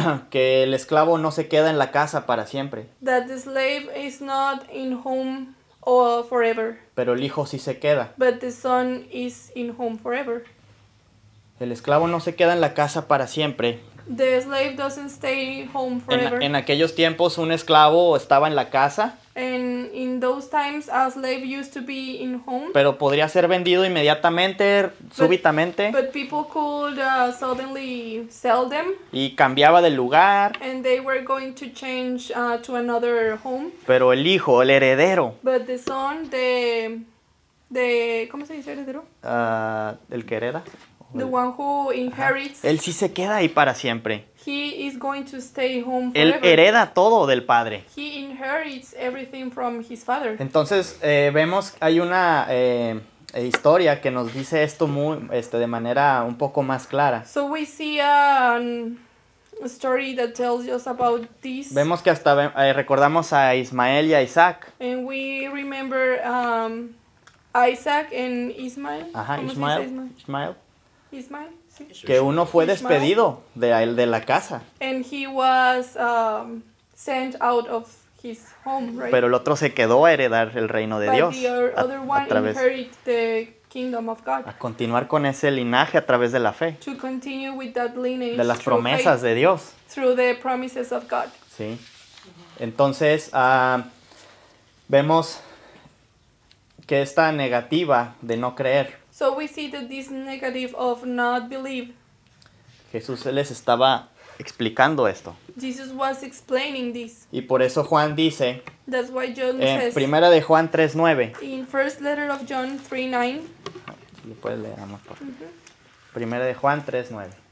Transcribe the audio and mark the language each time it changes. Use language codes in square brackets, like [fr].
[es] que el esclavo no se queda en la casa para siempre. [en] That the slave is not in home or forever. [es] Pero el hijo sí se queda. [en] But the son is in home forever. [es] El esclavo no se queda en la casa para siempre. [en] The slave doesn't stay home forever. [es] En aquellos tiempos un esclavo estaba en la casa. [en] And in those times a slave used to be in home. [es] Pero podría ser vendido inmediatamente, súbitamente. [en] But people could suddenly sell them. [es] Y cambiaba de lugar. [en] And they were going to change to another home. [es] Pero el hijo, el heredero. [en] But the son, the [es] ¿cómo se dice heredero? El que hereda. [en] The one who inherits. [es] Él sí se queda ahí para siempre. [en] He is going to stay home forever. [es] Él hereda todo del padre. [en] He inherits everything from his father. [es] Entonces, vemos, hay una historia que nos dice esto muy, de manera un poco más clara. [en] So we see a story that tells us about this. [es] Vemos que hasta recordamos a Ismael y a Isaac. [en] And we remember Isaac and Ismael. [es] Ajá, Ismael. Ismael. Ismael, sí. Que uno fue despedido de la casa. [en] And he was sent out of his home, right? [es] Pero el otro se quedó a heredar el reino de [en] But [es] Dios. [en] The other one inherited the kingdom of God. [es] A continuar con ese linaje a través de la fe. [en] To continue with that lineage. [es] De las promesas [en] faith, [es] de Dios. [en] Through the promises of God. [es] Sí. Entonces, vemos que esta negativa de no creer. [en] So we see that this negative of not believe. [es] Jesús les estaba explicando esto. [en] Jesus was explaining this. [es] Y por eso Juan dice. [en] That's why John [es] en [en] says. [es] En primera de Juan 3:9. [en] In first letter of John 3:9. [es] Si le puedes leer, vamos por. Mm-hmm. Primera de Juan 3:9.